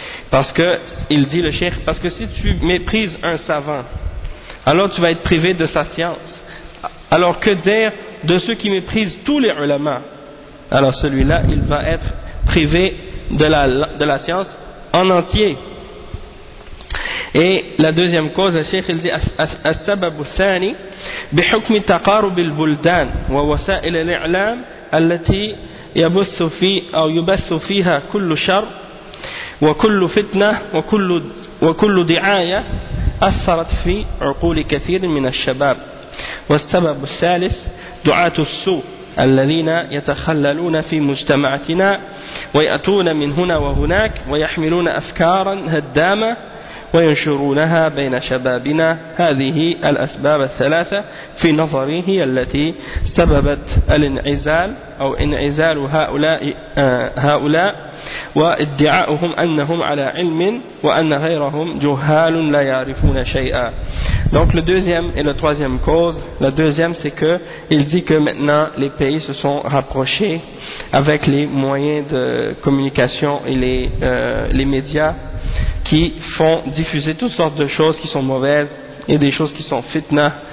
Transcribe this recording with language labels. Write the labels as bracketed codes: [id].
[fr] Parce que, il dit le cheikh, parce que si tu méprises un savant, alors tu vas être privé de sa science. Alors que dire de ceux qui méprisent tous les ulama? Alors celui-là, il va être privé de la science en entier. Et la deuxième cause, le cheikh, il dit, [ar] السبب الثاني بحكم تقارب البلدان ووسائل الإعلام التي يبث فيها كل شر وكل فتنة وكل وكل دعاية أثرت في عقول كثير من الشباب. والسبب الثالث دعاة السوء الذين يتخللون في مجتمعنا ويأتون من هنا وهناك ويحملون أفكارا هدامة وينشرونها بين شبابنا. هذه الأسباب الثلاثة في نظري هي التي سببت الانعزال أو انعزال هؤلاء وادعاؤهم أنهم على علم وأن غيرهم جهال لا يعرفون شيئا. [fr] Donc le deuxième et le troisième cause, la deuxième c'est que il dit que maintenant les pays se sont rapprochés avec les moyens de communication et les médias qui font diffuser toutes sortes de choses qui sont mauvaises et des choses qui sont fitna.